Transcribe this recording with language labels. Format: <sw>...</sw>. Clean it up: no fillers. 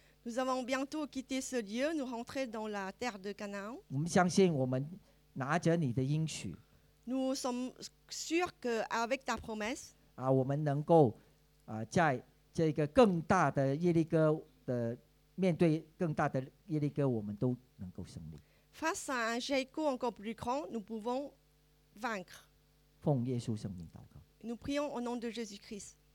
<fr>Nous avons bientôt quitté ce lieu, nous rentrons dans la terre de Canaan.</fr> <zh>我们相信我们拿着你的应许。</zh> <fr>Nous sommes sûrs que avec ta promesse.</fr> <zh>我们能够在这个更大的耶利哥的面对更大的耶利哥，我们都能够胜利。</zh> <fr>Face à un Jéricho encore plus grand, nous pouvons vaincre.</fr> <zh>奉耶稣圣名祷告。</zh> <fr>Nous prions au nom de Jésus-Christ.</fr>